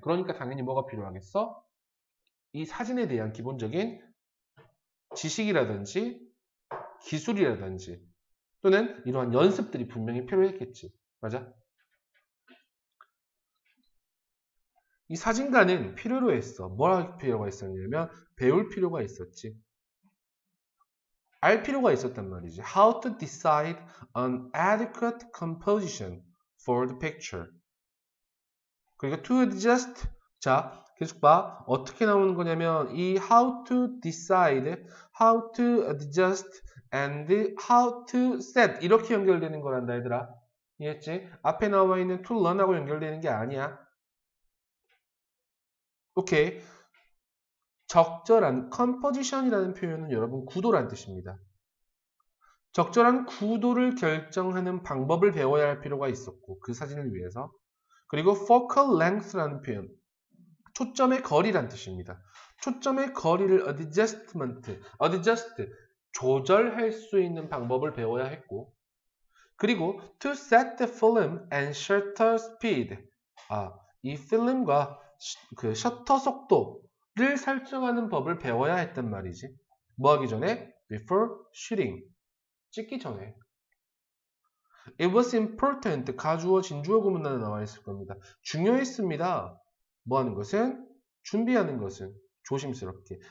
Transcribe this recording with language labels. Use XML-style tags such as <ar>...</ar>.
<ko>그러니까 당연히 뭐가 필요하겠어? 이 사진에 대한 기본적인 지식이라든지 기술이라든지 또는 이러한 연습들이 분명히 필요했겠지. 맞아? 이 사진가는 필요로 했어. 뭘할 필요가 있었냐면 배울 필요가 있었지. 알 필요가 있었단 말이지.</ko> <en>How to decide on adequate composition for the picture.</en> <ko>그리고</ko> <en>to adjust.</en> <ko>자, 계속 봐. 어떻게 나오는 거냐면 이</ko> <en>how to decide, how to adjust, and how to set</en> <ko>이렇게 연결되는 거란다, 얘들아. 이해했지? 앞에 나와 있는 to learn하고 연결되는 게 아니야. 오케이. 적절한 composition이라는 표현은 여러분 구도란 뜻입니다. 적절한 구도를 결정하는 방법을 배워야 할 필요가 있었고, 그 사진을 위해서. 그리고 focal length라는 표현. 초점의 거리란 뜻입니다. 초점의 거리를 adjust, 조절할 수 있는 방법을 배워야 했고. 그리고</ko> <en>to set the film and shutter speed.</en> <ko>이 필름과 그 셔터 속도를 설정하는 법을 배워야 했단 말이지. 뭐 하기 전에?</ko> <en>Before shooting.</en> <ko>찍기 전에.</ko> <en>It was important.</en> <ko>가주어, 진주어 구문단에 나와 있을 겁니다. 중요했습니다. 뭐 하는 것은? 준비하는 것은. 조심스럽게.</ko>